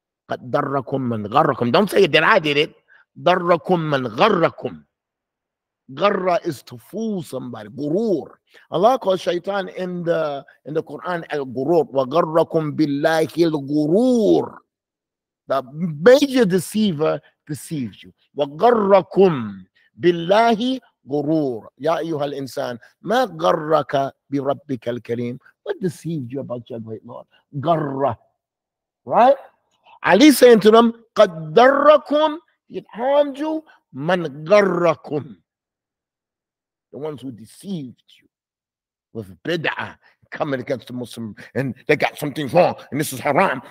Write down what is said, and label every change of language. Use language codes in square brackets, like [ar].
[ar] قَدْ دَرَّكُمْ مَنْ غَرَّكُمْ. [en] Don't say that I did it. [ar] دَرَّكُمْ مَنْ غَرَّكُمْ. [en] غَرَّ is to fool somebody. غُرُور. Allah calls shaitan in the Quran al-ghurur. [ar] وَغَرَّكُمْ بِاللَّهِ الْغُرُور. [en] The major deceiver deceived you. [ar] وَغَرَّكُمْ بِاللَّهِ غرور. يا أيها الإنسان ما غرك بربك الكريم. [en] What deceived you about your great Lord? غر. Right? Ali saying to them, [ar] قد دركم. [en] It harmed you. [ar] من غركم. [en] The ones who deceived you with bid'ah coming against the Muslim and they got something wrong and this is haram.